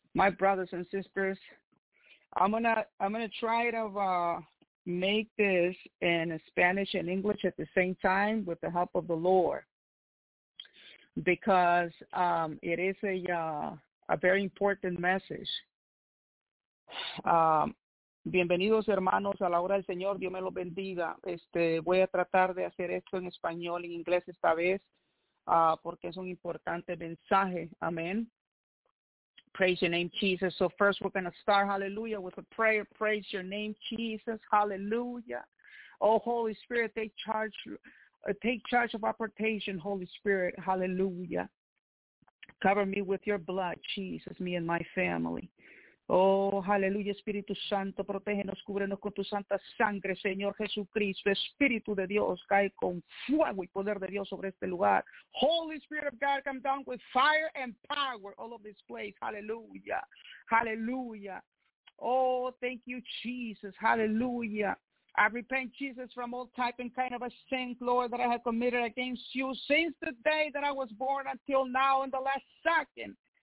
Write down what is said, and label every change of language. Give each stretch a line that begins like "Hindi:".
English: My brothers and sisters, I'm gonna try to make this in Spanish and English at the same time with the help of the Lord, because it is a very important message.
Spanish: Bienvenidos hermanos a la hora del Señor. Dios me los bendiga. Voy a tratar de hacer esto en español y inglés esta vez, porque es un importante mensaje.
English: Amen. Praise your name, Jesus. So first we're going to start, hallelujah, with a prayer. Praise your name, Jesus. Hallelujah. Oh, Holy Spirit, take charge of our partation, Holy Spirit. Hallelujah. Cover me with your blood, Jesus, me and my family.
Spanish: Oh, hallelujah, Espíritu Santo, protégenos, cúbrenos con tu santa sangre, Señor Jesucristo, Espíritu de Dios, cae con fuego y poder de Dios sobre este lugar.
English: Holy Spirit of God, come down with fire and power all over this place. Hallelujah. Hallelujah. Oh, thank you, Jesus. Hallelujah. I repent, Jesus, from all type and kind of a sin, Lord, that I have committed against you since the day that I was born until now in the last second.